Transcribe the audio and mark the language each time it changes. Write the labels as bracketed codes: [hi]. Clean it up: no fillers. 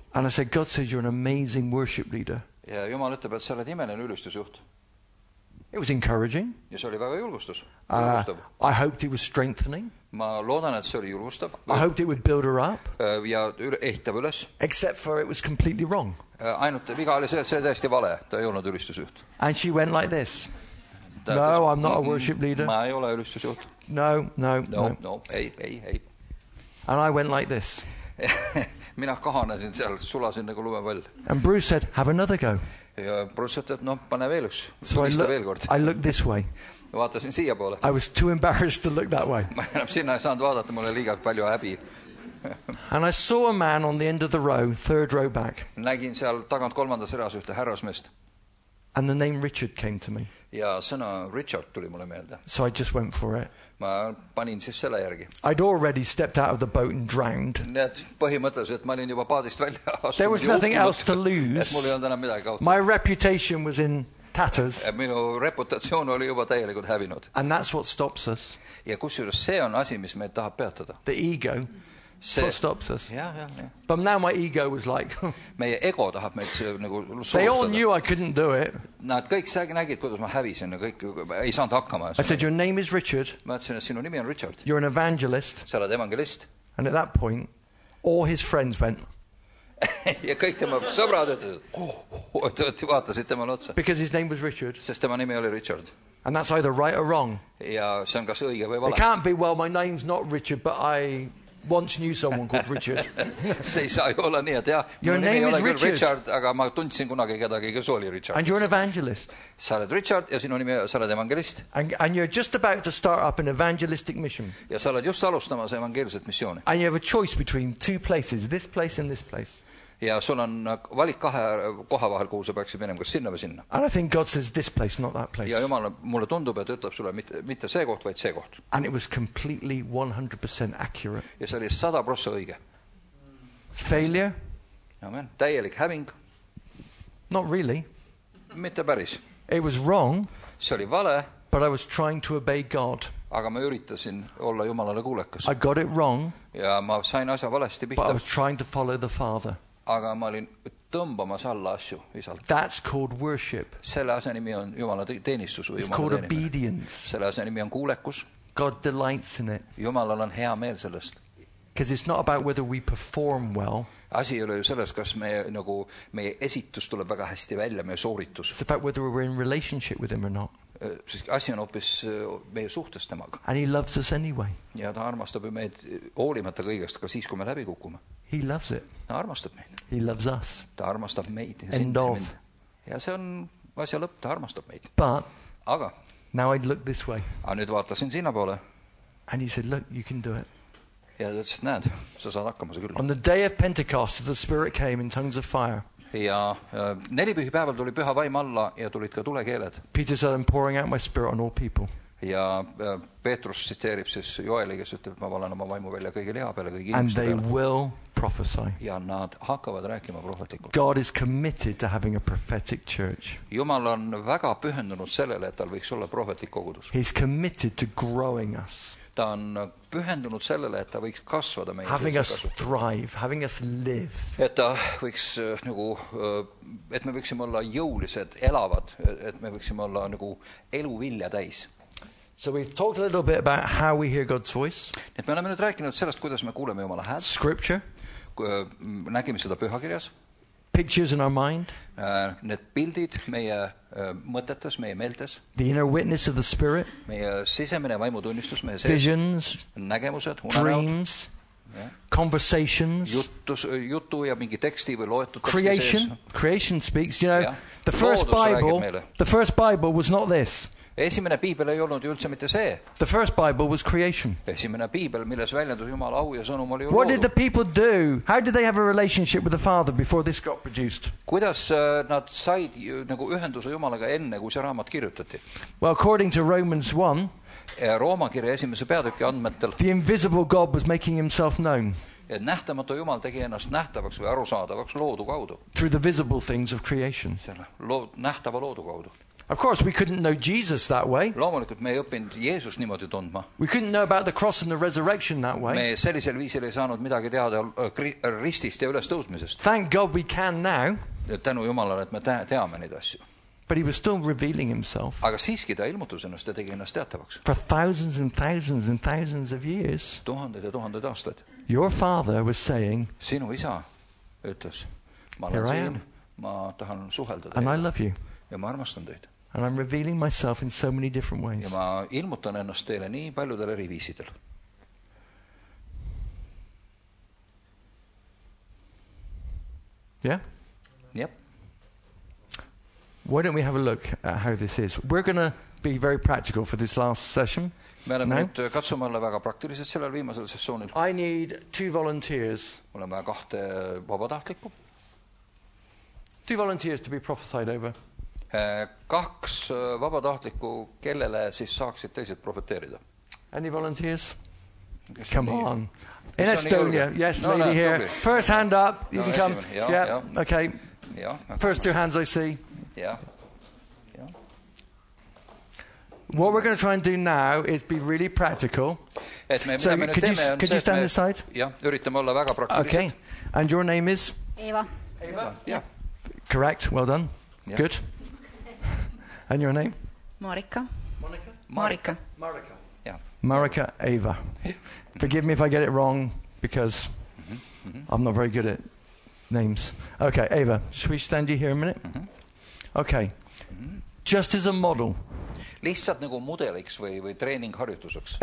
[en] And I said, God says, you're an amazing worship leader. [et] Ja Jumal ütleb, et sa oled imeline ülistusjuht. [en] It was encouraging. [et] Ja see oli väga julgustus. [en] I hoped it was strengthening. [et] Ma loodan, et see oli julgustav. [en] I hoped it would build her up. [et] Ja ehitab üles. [en] Except for it was completely wrong. [et] Ainult viga oli see, et see täiesti vale. Ta ei olnud ülistusjuht. [en] And she went like this. No, I'm not a worship leader. [et] Ma ei ole ülistusjuht. [en] No. [et] Ei. [en] And I went like this. [et] Mina kahanesin seal, sulasin nagu lumevall. [en] And Bruce said, have another go. [et] Ja Bruce ütleb, no pane veel üks. [en] I looked this way. [et] Vaatasin siia poole. [en] I was too embarrassed to look that way. [et] Ma enam sinna ei saanud vaadata, mulle liiga palju häbi. [en] And I saw a man on the end of the row, third row back. [et] Nägin seal tagant kolmandas reas ühte härrasmeest. [en] And the name Richard came to me. [et] Ja sõna Richard tuli mulle meelde. [en] So I just went for it. [et] Ma panin siis selle järgi. [en] I'd already stepped out of the boat and drowned. [et] Net põhimõtteliselt ma olin juba paadist välja astunud. [en] There was nothing else to lose. [et] Et mul ei olnud enam midagi kaotada. [en] My reputation was in tatters. [et] Minu reputatsioon oli juba täielikult hävinud. [en] And that's what stops us. [et] Ja kusjuures see on asi, mis meid tahab peatada. [en] The ego. [et] See. [en] What stops us? Yeah. But now my ego was like. [et] Meie ego tahab meid nagu soostada. [en] They all knew I couldn't do it. [et] Nad kõik nägid, kuidas ma hävisin. Kõik ei saanud hakkama. [en] I said, your name is Richard. [et] Ma ütlesin, et sinu nimi on Richard. [en] You're an evangelist. [et] Sa oled evangelist. [en] And at that point, all his friends went. [et] Ja kõik tema sõbrad ütlesid. Vaatasid tema otsa. [en] Because his name was Richard. [et] Sest tema nimi oli Richard. [en] And that's either right or wrong. [et] Ja see on kas õige või vale. [en] It can't be, well, my name's not Richard, but I... Once knew someone called Richard. [et] See, sa ei ole nii, et jah. [en] Your name is Richard. [et] Richard. Aga ma tundsin kunagi kedagi, kes oli Richard. [en] And you're an evangelist. [et] Sa oled Richard ja sinu nimi sa oled evangelist. [en] And you're just about to start up an evangelistic mission. [et] Ja sa oled just alustamas evangeliselt missiooni. [en] And you have a choice between two places, this place and this place. [et] Ja sul on valik kahe koha vahel, kuhu sa peaksid minema, kas sinna või sinna. [en] And I think God says this place, not that place. [et] Ja Jumal mulle tundub, et ütleb sulle mitte see koht, vaid see koht. [en] And it was completely 100% accurate. [et] Ja see oli 100% õige. [en] Failure. [et] Amen. Täielik häving. [en] Not really. [et] Mitte päris. [en] It was wrong. [et] See oli vale. [en] But I was trying to obey God. [et] Aga ma üritasin olla Jumalale kuulekas. [en] I got it wrong. [et] Ja ma sain asja valesti pihta. [en] But I was trying to follow the Father. [et] Aga ma olin tõmbamas alla asju isalt. [en] That's called worship. [et] Selle asja nimi on Jumala teenistus. [en] It's called obedience. [et] Selle asja nimi on kuulekus. [en] God delights in it. [et] Jumalal on hea meel sellest. [en] Because it's not about whether we perform well. [et] Asi ei ole ju sellest, kas meie esitus tuleb väga hästi välja, meie sooritus. [en] It's about whether we're in relationship with him or not. [et] Asi on hoopis meie suhtes temaga. [en] And he loves us anyway. [et] Ja ta armastab meid hoolimata kõigest, ka siis, kui me läbi kukume. [en] He loves it. [et] Ta armastab meid. [en] He loves us. [et] Ta armastab meid. [en] End of. [et] Ja see on asja lõpp, ta armastab meid. [en] But. [et] Aga. [en] Now I'd look this way. [et] Aga nüüd vaatasin sinna poole. [en] And he said, look, you can do it. [et] Ja ta ütles, näed, sa saad hakkama see küll. [en] On the day of Pentecost, the Spirit came in tongues of fire. [et] Ja nelipühi päeval tuli püha vaim alla ja tulid ka tulekeeled. [en] Peter said, I'm pouring out my spirit on all people. [et] Ja Peetrus tsiteerib siis Joeli, kes ütleb, ma valan oma vaimu välja kõige liha peale, kõige inimese peale. [en] And they will prophesy. [et] Ja nad hakkavad rääkima prohetlikult. [en] God is committed to having a prophetic church. [et] Jumal on väga pühendunud sellele, et tal võiks olla prohetlik kogudus. [en] He's committed to growing us. [et] Ta on pühendunud sellele, et ta võiks kasvada meie. [en] Having us thrive, having us live. [et] Et ta võiks nagu, et me võiksime olla jõulised, elavad, et me võiksime olla nagu eluvilja täis. [en] So we've talked a little bit about how we hear God's voice. [et] Et me oleme nüüd rääkinud sellest, kuidas me kuuleme Jumala häält. [en] Scripture. [et] Nägime seda pühakirjas. [en] Pictures in our mind. [et] Need pildid meie mõtetes, meie meeltes. [en] The inner witness of the spirit. [et] Meie sisemine vaimutunnistus, meie [en] visions, [et] nägemused, [en] dreams, yeah. Conversations. [et] Jutu ja mingi teksti või loetud teksti. [en] Creation. Sees. Creation speaks, you know. Yeah. The first Bible was not this. [et] Esimene piibel ei olnud üldse mitte see. [en] The first Bible was creation. [et] Esimene piibel, milles väljendus Jumala au ja sõnum oli loodud. [en] What did the people do? How did they have a relationship with the Father before this got produced? [et] Kuidas nad said nagu ühenduse Jumalaga enne, kui see raamat kirjutati? [en] Well, according to Romans 1, [et] Rooma kirja esimese peatüki andmetel, [en] the invisible God was making himself known. [et] Et nähtamatu Jumal tegi ennast nähtavaks või arusaadavaks loodu kaudu. [en] Through the visible things of creation. [et] Nähtava loodu kaudu. [en] Of course, we couldn't know Jesus that way. [et] Loomulikult me ei õppinud Jeesus niimoodi tundma. [en] We couldn't know about the cross and the resurrection that way. [et] Me sellisel viisil ei saanud midagi teada ristist ja ülestõusmisest. [en] Thank God we can now. [et] Tänu Jumalale, et me teame neid asju. [en] But he was still revealing himself. [et] Aga siiski ta ilmutus ennast ja tegi ennast teatavaks. [en] For thousands and thousands and thousands of years. [et] Tuhanded ja tuhanded aastad. [en] Your father was saying. [et] Sinu isa ütles. Ma olen siin. Ma tahan suhelda teile. [en] And I love you. [et] Ja ma armastan teid. [en] And I'm revealing myself in so many different ways. [et] Ja ma ilmutan ennast teile nii paljudel eri viisidel. [en] Yeah? Yep. Why don't we have a look at how this is? We're going to be very practical for this last session. [et] Me oleme nüüd katsuma olla väga praktiliselt sellel viimasel sessioonil. [en] I need two volunteers. [et] Oleme kahte vabatahtlikku. [en] Two volunteers to be prophesied over. [et] Kaks vabatahtlikku, kellele siis saaksid teised profeteerida. [en] Any volunteers? Come on. In Estonia. Yes, lady here. First hand up. You can come. Yeah. Okay. First two hands I see. Yeah. What we're going to try and do now is be really practical. [et] Et me, [en] so me could, you, [et] teeme, [en] could you stand [et] me, [en] this side? Yeah, [et] üritame olla väga praktiliselt. [en] Okay, and your name is? Eva. Eva, yeah. Correct, well done. Yeah. Good. And your name? Marika. Marika. Marika. Marika, yeah. Marika, Eva. Yeah. Forgive me if I get it wrong, because I'm not very good at names. Okay, Eva, should we stand you here a minute? Okay. Just as a model. [et] Lihtsalt nagu modeliks või treening harjutuseks.